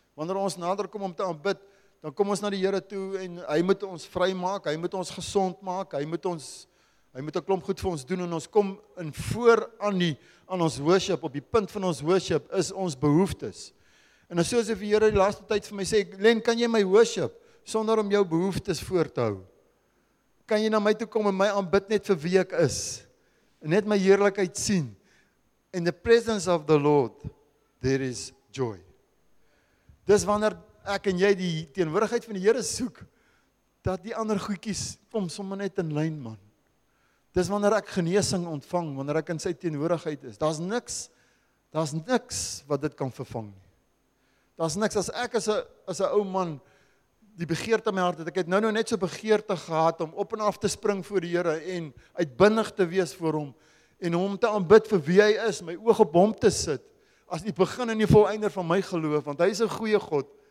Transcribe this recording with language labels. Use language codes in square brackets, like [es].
[af] Wanneer ons nader kom om te aanbid, dan kom ons na die Here toe en hy moet ons vry maak, hy moet ons gesond maak, hy moet 'n klomp goed vir ons doen en ons kom in vooraan die aan ons worship, op die punt van ons worship is ons behoeftes. En as soos die Here die laaste tyd vir my sê, "Len, kan jy my worship sonder om jou behoeftes voor te hou?" Kan jy na my toe kom en my aanbid net vir wie ek is? Net my heerlikheid sien. [en] In the presence of the Lord, there is joy. [af] Dis wanneer ek en jy die teenwoordigheid van die Here soek, dat die ander goedjies kom sommer net in lyn, man. Dis wanneer ek genesing ontvang, wanneer ek in sy teenwoordigheid is. Daar's niks wat dit kan vervang nie. Daar's niks, as ek as 'n ou man, die begeerte in my hart, ek het nou net so begeerte gehad om op en af te spring voor die Here en uitbinnig te wees voor hom en hom te aanbid vir wie hy is, my oog op hom te sit, as die begin en die volleinder van my geloof, want hy is 'n goeie God.